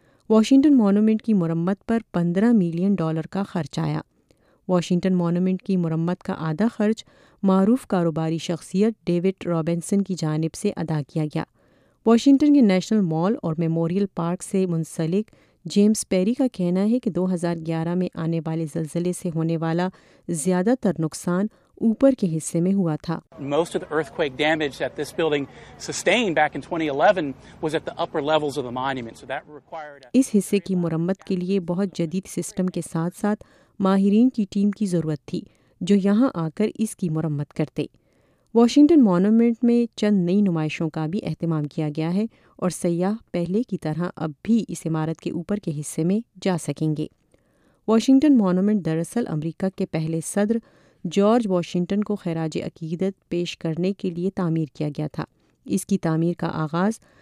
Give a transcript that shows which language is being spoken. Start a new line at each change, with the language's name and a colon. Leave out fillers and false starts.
Urdu: Washington monument کی مرمت پر $15 million کا خرچ آیا۔ واشنگٹن مونومنٹ کی مرمت کا آدھا خرچ معروف کاروباری شخصیت ڈیوڈ رابنسن کی جانب سے ادا کیا گیا۔ واشنگٹن کے نیشنل مال اور میموریل پارک سے منسلک جیمس پیری کا کہنا ہے کہ 2011 میں آنے والے زلزلے سے ہونے والا زیادہ تر نقصان اوپر کے حصے میں ہوا تھا۔
English: Most of the earthquake damage that this building sustained back in 2011 was at the upper levels of the monument. So that required
Urdu: اس حصے کی مرمت کے لیے بہت جدید سسٹم کے ساتھ ساتھ ماہرین کی ٹیم کی ضرورت تھی جو یہاں آ کر اس کی مرمت کرتے۔ واشنگٹن مونومنٹ میں چند نئی نمائشوں کا بھی اہتمام کیا گیا ہے اور سیاح پہلے کی طرح اب بھی اس عمارت کے اوپر کے حصے میں جا سکیں گے۔ واشنگٹن مونومنٹ دراصل امریکہ کے پہلے صدر جارج واشنگٹن کو خراج عقیدت پیش کرنے کے لیے تعمیر کیا گیا تھا۔ اس کی تعمیر کا آغاز